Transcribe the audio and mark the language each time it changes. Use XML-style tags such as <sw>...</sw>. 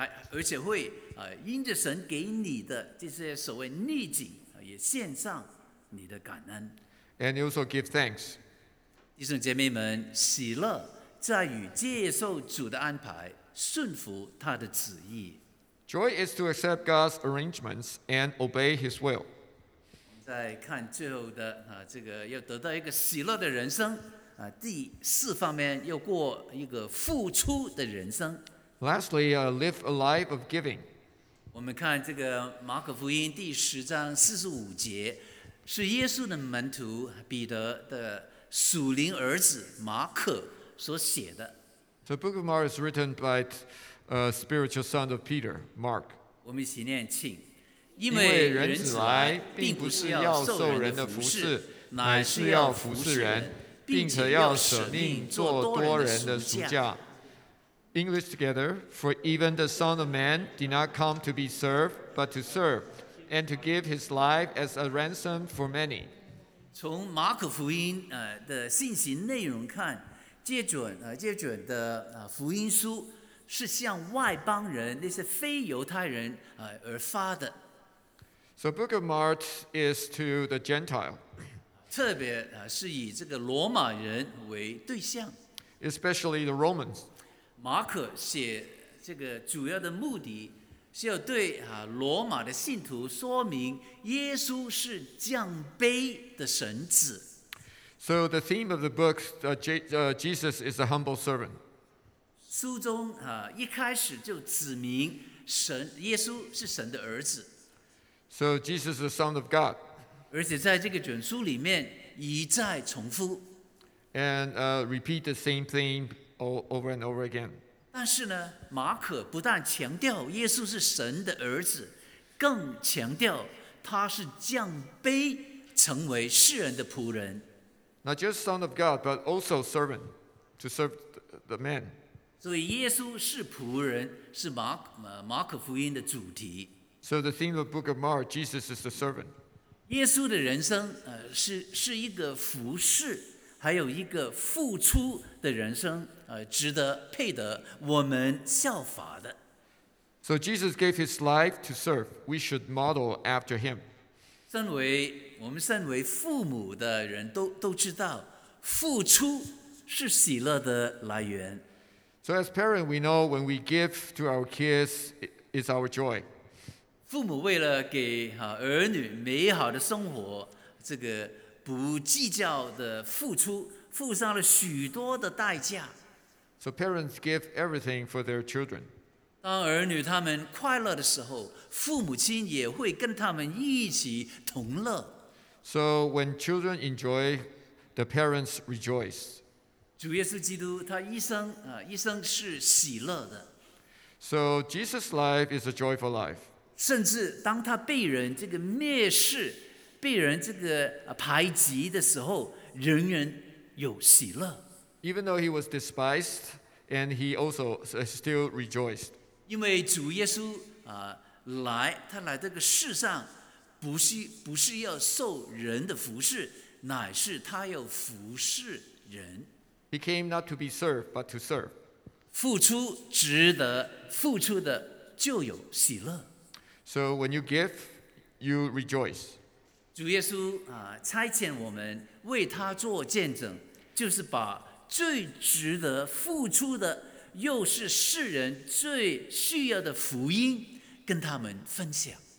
<zh>而且会因着神给你的这些所谓逆境也献上你的感恩</zh> <en>And you also give thanks</en> <zh>弟兄姐妹们喜乐在于接受主的安排顺服他的旨意</zh> <en>Joy is to accept God's arrangements and obey His will</en> <zh>再看最后的这个要得到一个喜乐的人生第四方面要过一个付出的人生</zh> <en>Lastly, live a life of giving</en> <zh>我们看这个马可福音第十章四十五节是耶稣的门徒彼得的属灵儿子马可所写的</zh> <en>The book of Mark is written by a spiritual son of Peter, Mark.</en> <zh>我们一起念，请。因为人子来，并不是要受人的服侍，乃是要服侍人，并且要舍命做多人的赎价。</zh> <en>English together, for even the Son of Man did not come to be served, but to serve, and to give his life as a ransom for many.</en> <zh>从马可福音的信息内容看。借准的福音书是向外邦人那些非犹太人而发的</zh> <en>So book of Mark is to the Gentile</en> <zh>特别是以这个罗马人为对象</zh> <en>Especially the Romans</en> <zh>马可写这个主要的目的是要对罗马的信徒说明耶稣是降卑的神子</zh> <en>So the theme of the book, Jesus is a humble servant.</en> <zh>书中一开始就指明神耶稣是神的儿子。</zh> <en>So Jesus is the Son of God.</en> <zh>而且在这个卷书里面一再重复。</zh> <en>And repeat the same thing over and over again.</en> <zh>但是呢，马可不但强调耶稣是神的儿子，更强调他是降卑成为世人的仆人。</zh> <en>Not just son of God, but also servant to serve the man.</en> <zh>所以耶稣是仆人，是马可福音的主题。</zh> <en>So the theme of the book of Mark, Jesus is the servant.</en> <zh>耶稣的人生是一个服侍，还有一个付出的人生，值得配得我们效法的。</zh> <en>So Jesus gave his life to serve. We should model after him.</en> <zh>身为我们身为父母的人都知道，付出是喜乐的来源。</zh> <en>So as parents, we know when we give to our kids, it's our joy.</en> <zh>父母为了给儿女美好的生活，这个不计较的付出，付上了许多的代价。</zh> <en>So parents give everything for their children.</en> <zh>当儿女他们快乐的时候，父母亲也会跟他们一起同乐。</zh> <en>So when children enjoy, the parents rejoice.</en> <zh>主耶稣基督他一生是喜乐的。</zh> <en>So Jesus' life is a joyful life.</en> <zh>甚至当他被人这个蔑视，被人这个排挤的时候，仍然有喜乐。</zh> <en>Even though he was despised, and he also still rejoiced.</en> <zh>因为主耶稣来，他来这个世上，不是要受人的服侍，乃是他要服侍人。</zh> <en>He came not to be served, but to serve.</en> <zh>付出值得，付出的就有喜乐。</zh> <en>So when you give, you rejoice.</en> <zh>主耶稣差遣我们为他做见证，就是把最值得付出的，又是世人最需要的福音，跟他们分享。</zh>